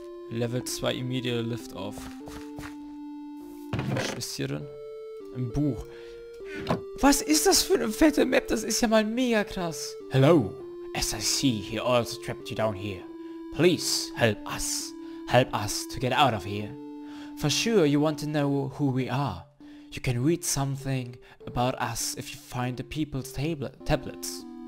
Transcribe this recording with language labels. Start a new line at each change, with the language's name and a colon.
English: Level 2 immediate lift off.
German: Was ist hier drin? Ein Buch. Was ist das für eine fette Map? Das ist ja mal mega krass.
English: Hello. As I see, he also trapped you down here. Please help us. Help us to get out of here. For sure, you want to know who we are. You can read something about us if you find the people's tablets.